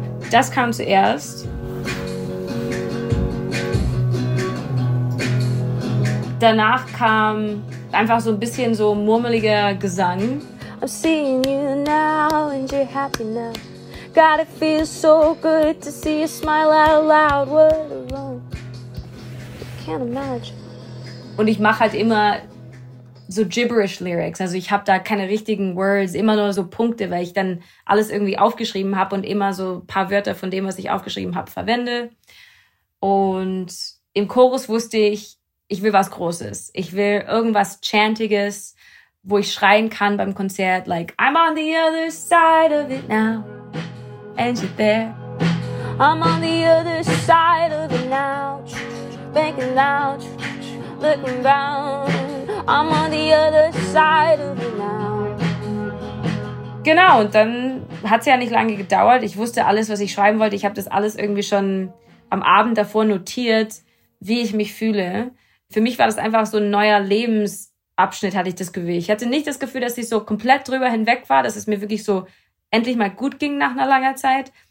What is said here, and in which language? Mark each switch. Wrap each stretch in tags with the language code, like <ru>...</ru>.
<de>Das kam zuerst. Danach kam einfach so ein bisschen so murmeliger Gesang.</de> <en>I'm seeing you now and you're happy now. God, it feels so good to see you smile out loud. What a run. I can't imagine.</en> <de>Und ich mache halt immer so gibberish Lyrics. Also ich habe da keine richtigen Words, immer nur so Punkte, weil ich dann alles irgendwie aufgeschrieben habe und immer so ein paar Wörter von dem, was ich aufgeschrieben habe, verwende. Und im Chorus wusste ich, ich will was Großes. Ich will irgendwas Chantiges, wo ich schreien kann beim Konzert,</de> <en>like, I'm on the other side of it now, and you're there. I'm on the other side of it now, thinking loud, looking round. I'm on the other side of it now.</en> <de>Genau, und dann hat's ja nicht lange gedauert. Ich wusste alles, was ich schreiben wollte. Ich habe das alles irgendwie schon am Abend davor notiert, wie ich mich fühle. Für mich war das einfach so ein neuer Lebensabschnitt, hatte ich das Gefühl. Ich hatte nicht das Gefühl, dass ich so komplett drüber hinweg war, dass es mir wirklich so endlich mal gut ging nach einer langen Zeit.</de>